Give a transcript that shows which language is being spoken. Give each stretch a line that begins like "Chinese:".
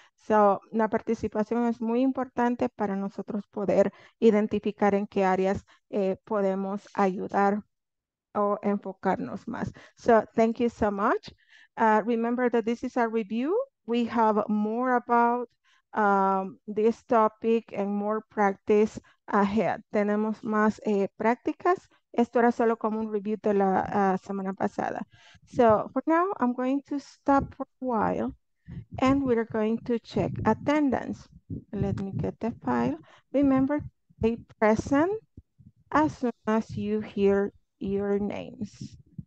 Spanish: So, la participación es muy importante para nosotros poder identificar en qué áreas podemos ayudar o enfocarnos más.
English: So, thank you so much. Remember that this is a review. We have more about this topic and more practice ahead.
Spanish: Tenemos más prácticas. Esto era solo como un review de la semana pasada.
English: So, for now, I'm going to stop for a while. And we are going to check attendance. Let me get the file. Remember, stay present as soon as you hear your names.